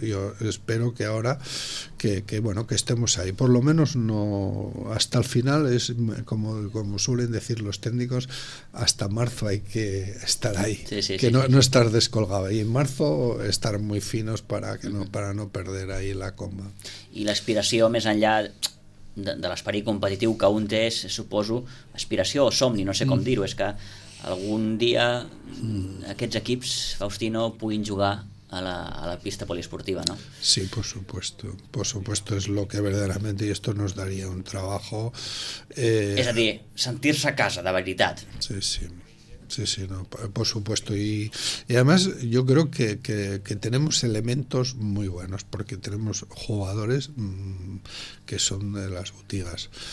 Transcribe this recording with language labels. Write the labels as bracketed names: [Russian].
[Spanish] Yo espero que ahora que estemos ahí, por lo menos no hasta el final, es como suelen decir los técnicos, hasta marzo hay que estar ahí. No estar descolgado, y en marzo estar muy finos para no perder ahí la comba. Y la aspiración más allá de [Catalan] l'esperit competitiu que un té, suposo, aspiració o somni, no sé com dir-ho, és que algun dia aquests equips, Faustino, puguin jugar a la pista poliesportiva, ¿no? [Spanish] Sí, por supuesto, es lo que verdaderamente, y esto nos daría un trabajo. [Catalan] És a dir, sentir-se a casa, de veritat. [Spanish] Sí, sí. Sí, sí, no, por supuesto. Y además yo creo que tenemos elementos muy buenos, porque tenemos jugadores que son de las boutiques.